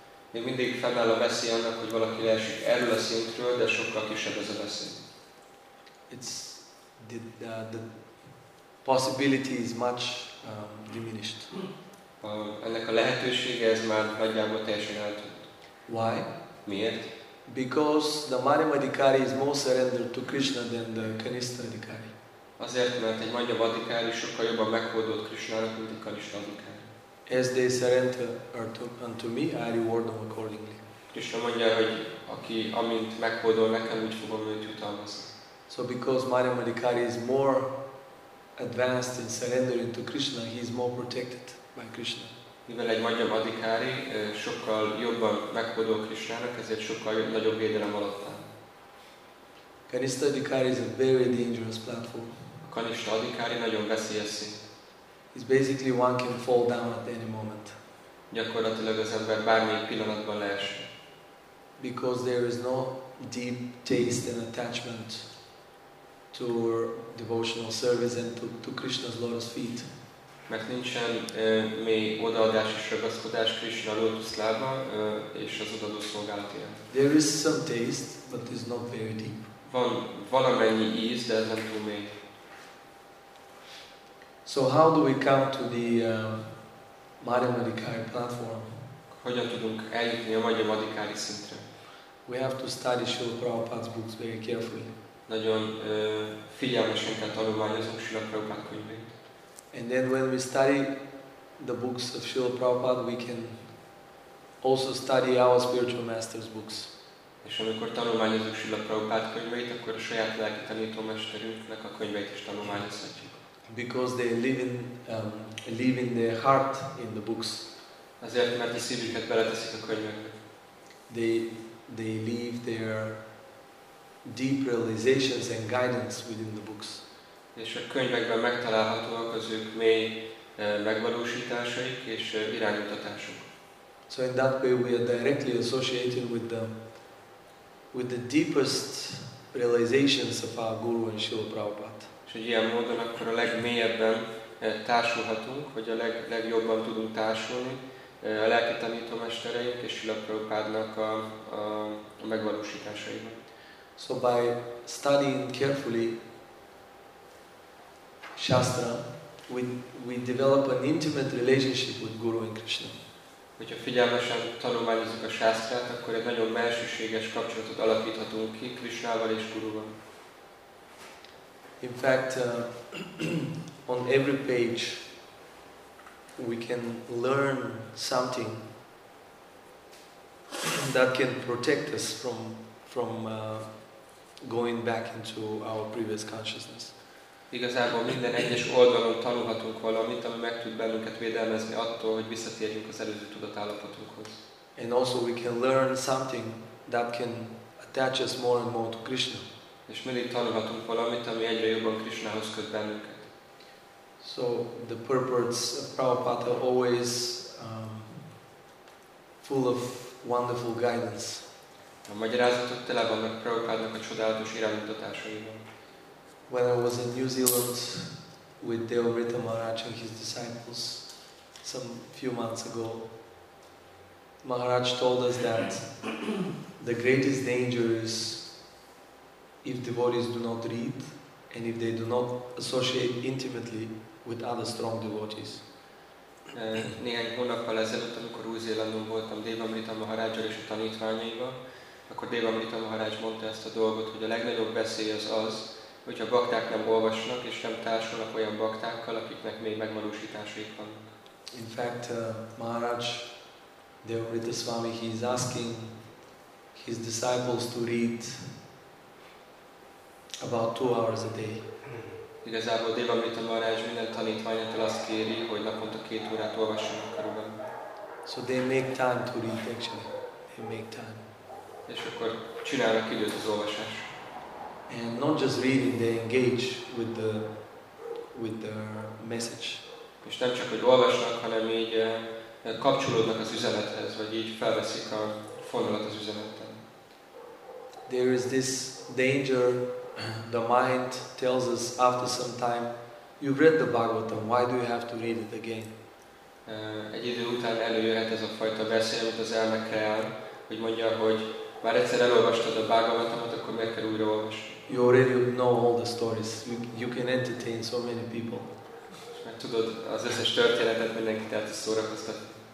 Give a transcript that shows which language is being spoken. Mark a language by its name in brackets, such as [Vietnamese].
[Hungarian] Még mindig fennáll a veszély annak, hogy valaki leesik erről a szintről, de sokkal kisebb ez a veszély. [English] It's the possibility is much diminished. [Hungarian] Ennek a lehetősége ez már nagyjából teljesen eltűnt. [English] Why? [Hungarian] Miért? [English] Because the Madhyamadhikari is more surrendered to Krishna than the Kanishtadhikari. [Hungarian] Azért, mert egy Madhyamadhikari sokkal jobban meghódolt Krishnának, mint a Kanishtadhikari. [English] As they surrender unto me, I reward them accordingly. [Hungarian] Krishna mondja, hogy aki amint meghódol nekem, úgy fogom őt jutalmazni. [English] So because Madhyamadhikari is more advanced in surrendering to Krishna, he is more protected by Krishna. [Hungarian] Mivel egy Madhyamadhikari sokkal jobban meghódol Krishnának, ezért sokkal nagyobb védelem alatt áll. [English] Kanishtadhikari is a very dangerous platform. [Hungarian] A Kanishtadhikari nagyon veszélyes szint. [English] It's basically one can fall down at any moment. [Hungarian] Gyakorlatilag az ember bármilyen pillanatban leesik. [English] Because there is no deep taste and attachment to devotional service and to Krishna's lotus feet. [Hungarian] Mert nincsen mély odaadás és ragaszkodás Krishna lotus lába és az odaadó szolgálatért. [English] There is some taste, but it's not very deep. [Hungarian] Van valamennyi íz, de ez nem túl mély. [English] So how do we come to the Madhyamadhikari platform? [Hungarian] Hogyan tudunk eljutni a Madhyamadhikari szintre? [English] We have to study Srila Prabhupada's books very carefully. [Hungarian] Nagyon figyelmesen kell tanulmányozunk Srila Prabhupada könyveit. [English] And then when we study the books of Srila Prabhupada, we can also study our spiritual master's books. [Hungarian] És amikor tanulmányozunk Srila Prabhupada könyveit, akkor a saját lelki tanítómesterünknek a könyveit is tanulmányozhatjuk. [English] Because they live in their heart in the books. [Hungarian] Azért, mert a szívüket beleteszik a könyvekbe. [English] They live their deep realizations and guidance within the books. [Hungarian] És a könyvekben megtalálhatóak az ők mély megvalósításaik és iránymutatásuk. [English] So in that way we are directly associated with the deepest realizations of our Guru and Srila Prabhupada. [Hungarian] Hogy ilyen módon akkor a legmélyebben társulhatunk, hogy a legjobban tudunk társulni a lelki tanítómestereink és Srila Prabhupádnak a megvalósításaival. [English] So by studying carefully Shastra, we develop an intimate relationship with Guru and Krishna. [Hungarian] Hogyha figyelmesen tanulmányozunk a Shastrát, akkor egy nagyon mélységes kapcsolatot alakíthatunk ki Krishnával és Guruval. [English] In fact, on every page we can learn something that can protect us from going back into our previous consciousness. [Hungarian] Igazából minden egyes oldalon tanulhatunk valamit, ami meg tud bennünket védelmezni attól, hogy visszatérjünk az előző tudatállapotunkhoz. [English] And also we can learn something that can attach us more and more to Krishna. [Hungarian] És mindig tanulhatunk valamit, ami egyre jobban Krishnához köt bennünket. [English] So the purports of Prabhupada are always full of wonderful guidance. [Hungarian] A magyarázatok tele vannak Prabhupádnak a csodálatos iránymutatásaival. [English] When I was in New Zealand with Deo Vrita Maharaj and his disciples some few months ago, Maharaj told us that the greatest danger is if devotees do not read and if they do not associate intimately with other strong devotees. [Hungarian] Néhány hónappal ezelőtt, amikor Új-Zélandon voltam Devamrita Maharajjal és a tanítványaival, akkor Devamrita Maharaj mondta ezt a dolgot, hogy a legnagyobb veszély az, hogyha bakták nem olvasnak és nem társulnak olyan baktákkal, akiknek még megvalósításaik vannak. [English] In fact, Maharaj Devamrita Swami, he is asking his disciples to read about 2 hours a day. [Hungarian] Igazából Devamrita Maharaj minden tanítványától azt kéri, hogy naponta 2 órát olvassanak körülbelül. [English] So they make time to read, actually. They make time. [Hungarian] És akkor csinálnak időt az olvasásra. [English] and not just reading, they engage with the message. [Hungarian] És nem csak hogy olvasnak, hanem így kapcsolódnak az üzenethez, vagy így felveszik a fonalat az üzenetben. [English] There is this danger the mind tells us after some time, you've read the Bhagavatam, why do you have to read it again? [Hungarian] Egy idő után előjöhet ez a fajta beszél, amit az elme kreál, hogy mondja, hogy már egyszer elolvastad a Bhagavatamot, akkor miért kell újra olvasni? [English] You already know all the stories. You can entertain so many people. [Hungarian] Mert tudod, az összes történetet mindenkit el tudsz szórakoztatni.